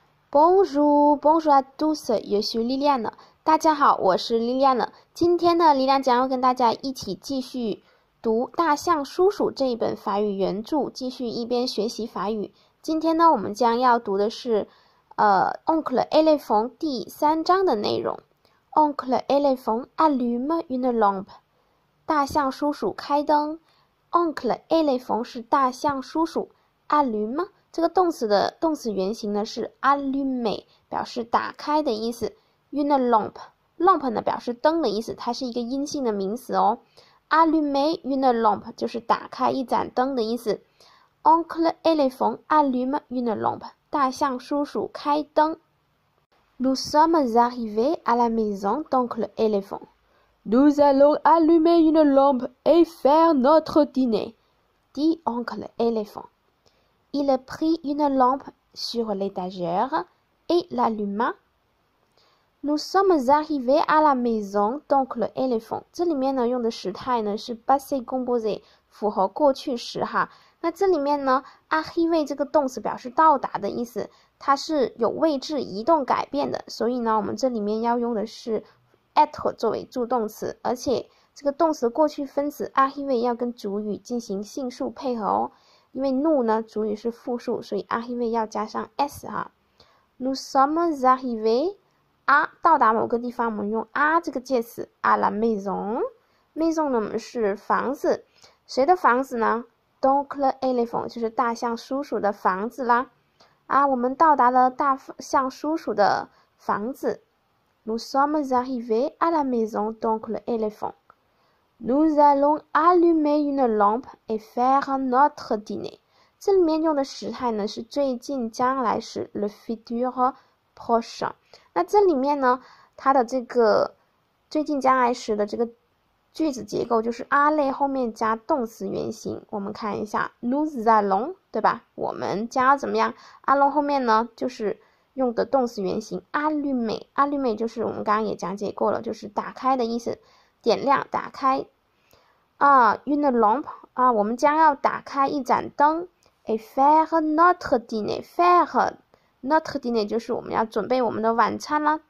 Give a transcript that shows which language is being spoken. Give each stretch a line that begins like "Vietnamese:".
French: Bonjour, bonjour à tous, je suis 莉莉安娜。
Chinese: 大家好，我是 莉莉安娜。今天呢，莉莉安将要跟大家一起继续读《大象叔叔》这一本法语原著，继续一边学习法语。今天呢，我们将要读的是《Oncle Elephant》第三章的内容。
French: Oncle Elephant allume une lampe，
Chinese: 大象叔叔开灯。 Oncle Elephant 是大象叔叔，allume。这个动词的动词原型呢是 allumer，表示打开的意思。
French: une lampe
Chinese: 呢表示灯的意思，它是一个阴性的名词哦。
French: allumer une lampe
Chinese: 就是打开一盏灯的意思。
French: Oncle Elephant allume une lampe，
Chinese: 大象叔叔开灯。
French: Nous sommes arrivés à la maison d'Oncle Elephant. Nous allons allumer une lampe et faire notre dîner, dit Oncle Elephant. Il prit une lampe sur l'étagère et l'alluma. Nous sommes arrivés à la maison d'Oncle Elephant.
Chinese: 这里面呢用的时态呢是 passé composé，复合过去时哈。那这里面呢，arrivé 这个动词表示到达的意思，它是有位置移动改变的，所以呢，我们这里面要用的是 être 作为助动词，而且这个动词过去分词 arrivé 要跟主语进行性数配合哦。因为 nous 呢，主语是复数，所以 arrivé 要加上 s 哈。
French: Nous sommes arrivés
Chinese: 到达某个地方，我们用 à 这个介词
French: à la maison。
Chinese: maison 呢，我们是房子，谁的房子呢？
French: Donc l'éléphant
Chinese: 就是大象叔叔的房子啦。啊，我们到达了大象叔叔的房子。
French: Nous sommes arrivés à la maison donc l'éléphant。 Nous allons allumer une lampe et faire notre dîner。
Chinese: 这里面用的时态呢是最近将来时
French: le futur prochain。
Chinese: 那这里面呢，它的这个最近将来时的这个句子结构就是 à 类后面加动词原形。我们看一下
French: nous allons
Chinese: 对吧？我们将要怎么样？allons 后面呢就是用的动词原形 allumer 就是我们刚刚也讲解过了，就是打开的意思，点亮打开。
French: une lampe
Chinese: 我们将要打开一盏灯。
French: et faire notre dîner faire notre dîner
Chinese: 就是我们要准备我们的晚餐了。